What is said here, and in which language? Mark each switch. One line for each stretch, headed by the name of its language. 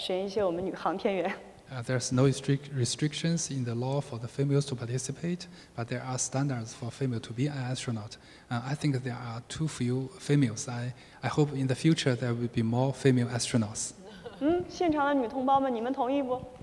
Chinese: 我觉得选拔有标准，法律上没有标准。但是，我觉得有一个问题就是，现在我们女航天员选拔的太少，以后应该多多的选一些我们女航天员。
English: There's no strict restrictions in the law for the females to participate, but there are standards for female to be an astronaut. I think there are too few females. I hope in the future there will be more female astronauts.
Chinese: 现场的女同胞们，你们同意不？